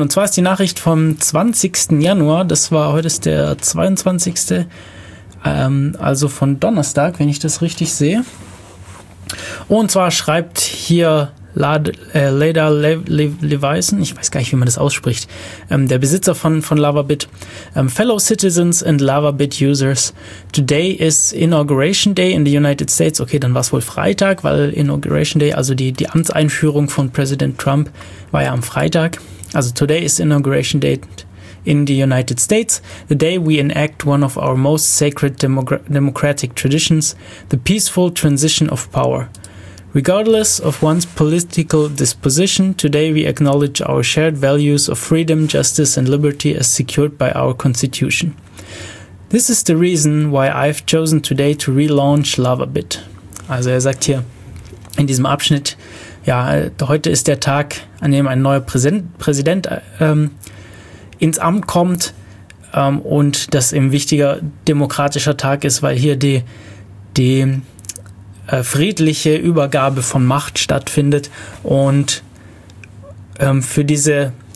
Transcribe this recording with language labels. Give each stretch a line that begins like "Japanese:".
German: Und zwar ist die Nachricht vom 20. Januar. Das war heute ist der 22. Also von Donnerstag, wenn ich das richtig sehe. Und zwar schreibt hier Leda Levison, ich weiß gar nicht, wie man das ausspricht, der Besitzer von Lavabit.
English: Fellow citizens and Lavabit users, today is Inauguration Day in the United States.
German: Okay, dann war es wohl Freitag, weil Inauguration Day, also die Amtseinführung von Präsident Trump, war ja am Freitag.
English: Also today is Inauguration Day in the United States, the day we enact one of our most sacred democratic traditions, the peaceful transition of power. Regardless of one's political disposition, today we acknowledge our shared values of freedom, justice, and liberty as secured by our Constitution. This is the reason why I've chosen today to relaunch Lavabit.
German: Also er sagt hier in diesem Abschnitt, ja, heute ist der Tag, an dem ein neuer Präsident ins Amt kommt und das eben wichtiger demokratischer Tag ist, weil hier die friedliche Übergabe von Macht stattfindet und für diese